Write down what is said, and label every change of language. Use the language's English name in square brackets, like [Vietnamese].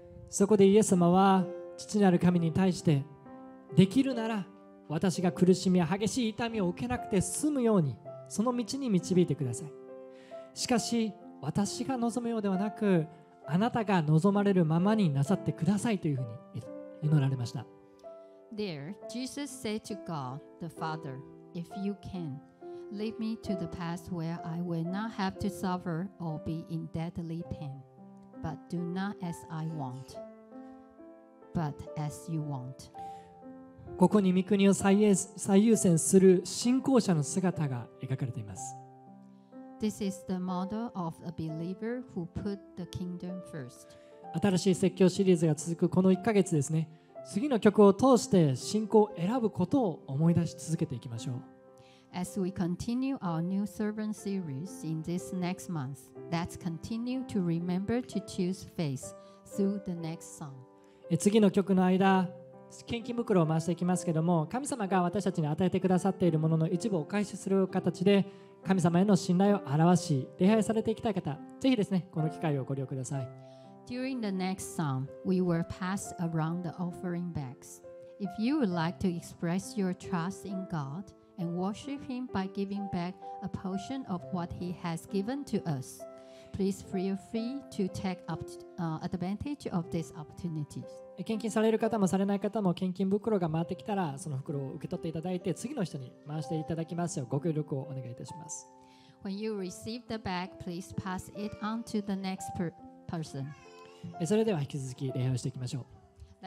[Japanese] そこでイエス様は父なる神に対して、できるなら私が苦しみや激しい痛みを受けなくて済むようにその道に導いてください。しかし私が望むようではなく、あなたが望まれるままになさってくださいというふうに祈られました。 [English] There, Jesus said to God, the Father, if you can, lead me to the path where I will not have to suffer or be in deadly pain, but do not as I want, but as you want. [Japanese] ここに御国を最優先する信仰者の姿が描かれています。 [English] This is the model of a believer who put the kingdom first. [Japanese] 新しい説教シリーズが続くこの1ヶ月ですね。次の曲を通して信仰を選ぶことを思い出し続けていきましょう。 [English] As we continue our new sermon series in this next month, let's continue to remember to choose faith through the next song. [Japanese] 次の曲の間、献金袋を回していきますけども、神様が私たちに与えてくださっているものの一部をお返しする形で、神様への信頼を表し礼拝されていきたい方、ぜひですねこの機会をご利用ください。 [English] During the next song, we will pass around the offering bags. If you would like to express your trust in God and worship Him by giving back a portion of what He has given to us, please feel free to take up advantage of this opportunity. [Japanese] 献金される方もされない方も献金袋が回ってきたらその袋を受け取っていただいて次の人に回していただきますようご協力をお願いいたします。 [English] When you receive the bag, please pass it on to the next person. [Japanese] それでは引き続き礼拝をしていきましょう。